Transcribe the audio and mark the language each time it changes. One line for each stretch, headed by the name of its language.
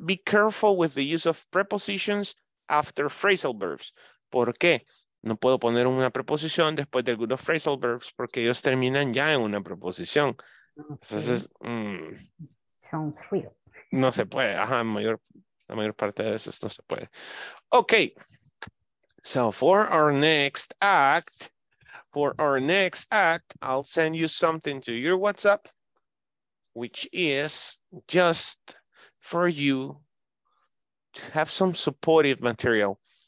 English: Be careful with the use of prepositions after phrasal verbs.
Spanish: ¿Por qué? No puedo poner una preposición después de algunos phrasal verbs porque ellos terminan ya en una preposición. Okay. Entonces,
English: sounds real.
Spanish: No se puede. Ajá, la mayor parte de veces no se puede. Ok.
English: So for our next act, I'll send you something to your WhatsApp, which is just for you to have some supportive material.